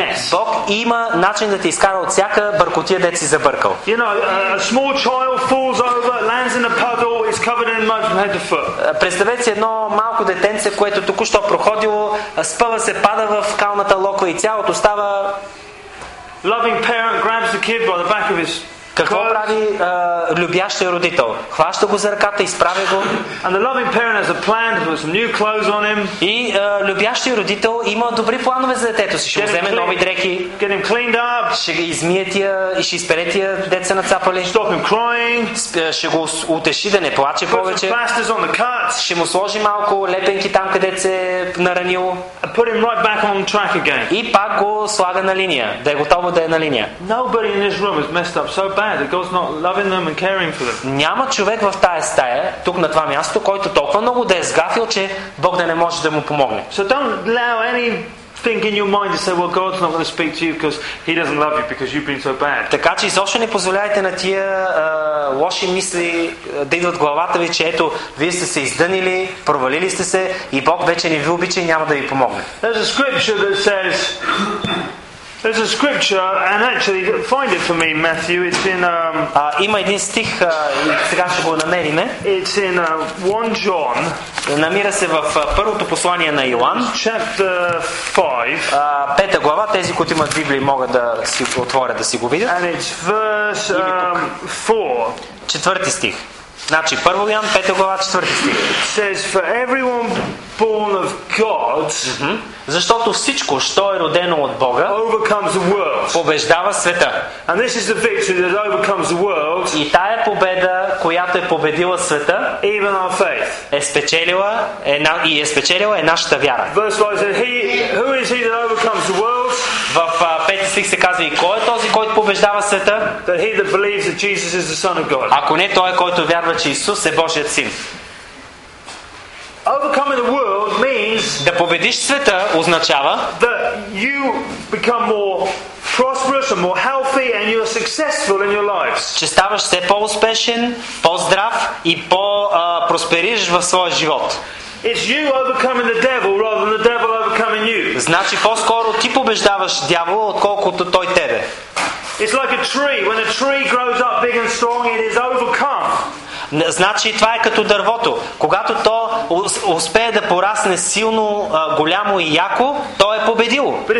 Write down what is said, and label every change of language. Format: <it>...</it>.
<bg>Бог има начин да ти изкара от всяка бъркотия, дето си забъркал.</bg> <en>You know, a small child falls over, lands in a puddle, is covered in mud from head to foot.</en> <bg>Представете си едно малко детенце, което току-що проходило, спъва се, пада в калната локва и цялото става.</bg> <en>Loving parent grabs the kid by the back of his.</en> <bg>Какво прави любящия родител? Хваща го за ръката, изправя го.</bg> <en>And the loving parent has a plan to put some new clothes on him.</en> <bg>И любящия родител има добри планове за детето си. Ще вземе нови дрехи.</bg> <en>Get him cleaned up.</en> <bg>Ще ги измие тия и ще изпере тия деца на цапали.</bg> <en>Stop him crying.</en> <bg>Ще го утеши да не плаче повече.</bg> <en>Put some plasters on the cuts.</en> <bg>Ще му сложи малко лепенки там, къде се наранило.</bg> <en>And put him right back on track again.</en> <bg>И пак го слага на линия, да е готово да е на линия.</bg> <en>Nobody in this room has messed up so bad that God's not loving them and caring for them.</en> <bg>Няма човек в тая стая, тук на това място, който толкова много да е сгафил, че Бог да не може да му помогне.</bg> <en>So don't allow anything in your mind to say, well, God's not going to speak to you because He doesn't love you because you've been so bad.</en> <bg>Така че изобщо не позволявайте на тия лоши мисли да идват в главата ви, че ето, вие сте се издънили, провалили сте се и Бог вече не ви обича и няма да ви помогне.</bg> <en>There's a scripture that says there's a scripture, and actually, find it for me, Matthew. It's in.</en> <bg>Има един стих, сега ще го намерим.</bg> <en>It's in 1 John.</en> <bg>Намира се в първото послание на Йоан.</bg> <en>Chapter 5.</en> <bg>Пета глава. Тези, които имат Библии, могат да си отворят, да си го видят.</bg> <en>And it's verse 4.</en> <bg>Четвърти стих. Значи, 1 Йоан, пета глава, четвърти стих.</bg> <en>It says, for everyone born of God.</en> <bg>Защото всичко, що е родено от Бога,</bg> <en>overcomes the world.</en> <bg>Побеждава света.</bg> <en>And this is the victory that overcomes the world.</en> <bg>И тая победа, която е победила света,</bg> <en>even our faith.</en> <bg>Е спечелила нашата вяра.</bg> <en>Verse 5 says, who is he that overcomes the world?</en> <bg>В пети стих се казва, и кой е този, който побеждава света?</bg> <en>That he that believes that Jesus is the Son of God.</en> <bg>Ако не той, който вярва, че Исус е Божият син.</bg> <en>Overcoming the world means</en> <bg>да победиш света означава</bg> <en>that you become more prosperous and more healthy and you are successful in your lives.</en> <bg>Че ставаш все по-успешен, по-здрав и по-просперираш в своя живот.</bg> <en>It's you overcoming the devil rather than the devil overcoming you.</en> <bg>Значи по-скоро ти побеждаваш дявола, отколкото той тебе.</bg> <en>It's like a tree. When a tree grows up big and strong, it is overcome.</en> <bg>Значи това е като дървото. Когато то успее да порасне силно, голямо и яко, то е победило.</bg>